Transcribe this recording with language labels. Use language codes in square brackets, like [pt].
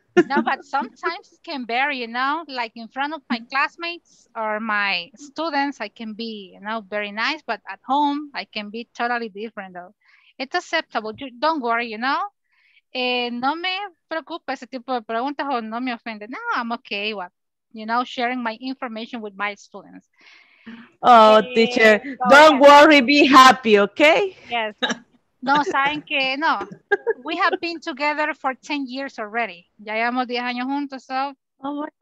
[en] know? No, but sometimes it can vary, you know, like in front of my classmates or my students, I can be, you know, very nice, but at home I can be totally different though. It's acceptable. Don't worry, you know. [es] No me preocupa ese tipo de preguntas o no me ofende. [en] No, I'm okay. What? You know, sharing my information with my students. Oh, teacher, don't worry, be happy, okay? Yes. [es] No, saben que no. [en] We have been together for 10 years already. [es] Ya llevamos 10 años juntos, [en] so. What